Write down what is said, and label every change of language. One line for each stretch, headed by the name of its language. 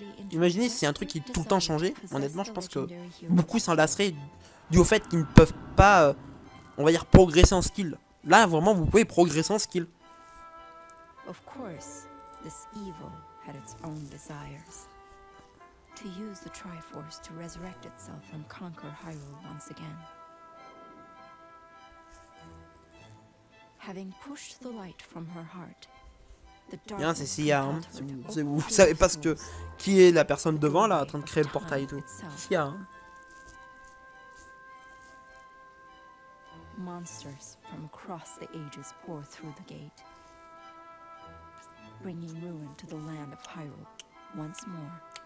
French: Imaginez si c'est un truc qui est tout le temps changé. Honnêtement, je pense que beaucoup s'en lasseraient dû au fait qu'ils ne peuvent pas, on va dire, progresser en skill. Là, vraiment, vous pouvez progresser en skill.
English: Of course, this evil had its own desires. To use the Triforce to resurrect itself and conquer Hyrule once again. Having pushed the light from her heart.
French: Bien, c'est Sia, hein. Vous savez pas qui est la personne devant là, en train de créer le portail et tout. Sia. Hein.
English: Monsters from across the ages pour through the gate, bringing ruin to the land of Hyrule once more.